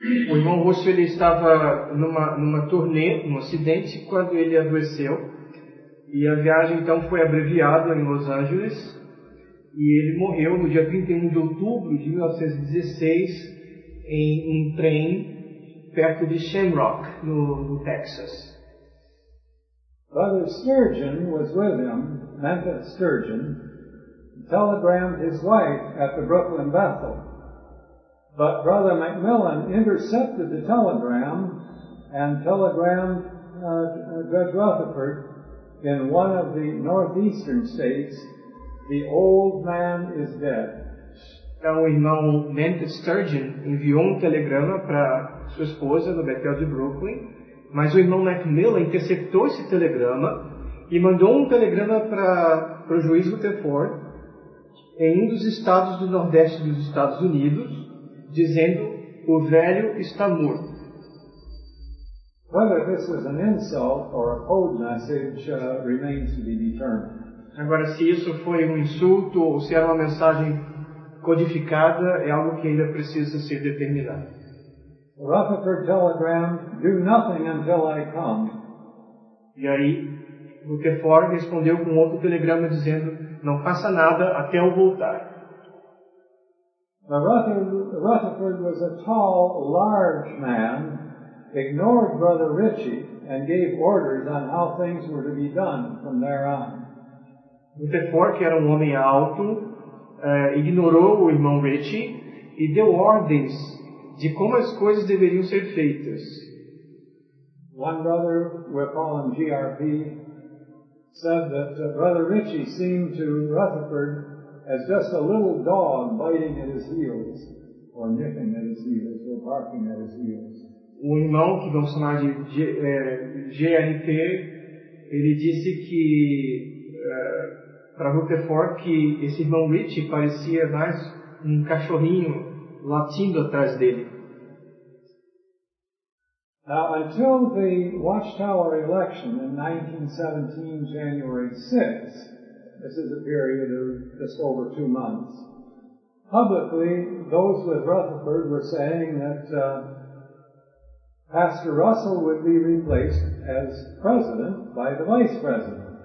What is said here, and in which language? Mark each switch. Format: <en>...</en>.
<pt>O irmão Russo ele estava numa turnê, num acidente, quando ele adoeceu. E a viagem então foi abreviada em Los Angeles. E ele morreu no dia 31 de outubro de 1916 em um trem perto de Shamrock, no Texas.</pt> <en>Brother Sturgeon was with him, Memphis Sturgeon, telegrammed his wife at the Brooklyn Bethel. But Brother Macmillan intercepted the telegram and telegrammed Judge Rutherford in one of the northeastern states, "The old man is dead."</en> <pt>Então, o irmão Memphis Sturgeon enviou um telegrama para sua esposa no Bethel de Brooklyn, mas o irmão Macmillan interceptou esse telegrama e mandou um telegrama para o juiz Rutherford em um dos estados do nordeste dos Estados Unidos, dizendo, o velho está morto.</pt> <en>Whether this is an insult or a code message remains to be determined.</en> <pt>Agora, se isso foi um insulto ou se era uma mensagem codificada, é algo que ainda precisa ser determinado.</pt> <en>Rutherford telegrammed, "Do nothing until I come."</en> <pt>E aí, Rutherford respondeu com outro telegrama dizendo, "Não faça nada até eu voltar."</pt> <en>Rutherford was a tall, large man, ignored Brother Ritchie, and gave orders on how things were to be done from there on.</en> <pt>Rutherford, que era um homem alto, ignorou o irmão Ritchie e deu ordens de como as coisas deveriam ser feitas.</pt> <en>One brother, we'll call him GRP, said that Brother Ritchie seemed to Rutherford as just a little dog biting at his heels, or nipping at his heels, or barking at his heels.</en> <pt>O irmão, que vamos chamar de GRP, ele disse que, para Rutherford, que esse irmão Ritchie parecia mais um cachorrinho latindo atrás dele.</pt> <en>Now, until the Watchtower election in 1917, January 6th, this is a period of just over 2 months, publicly, those with Rutherford were saying that Pastor Russell would be replaced as president by the vice president.</en>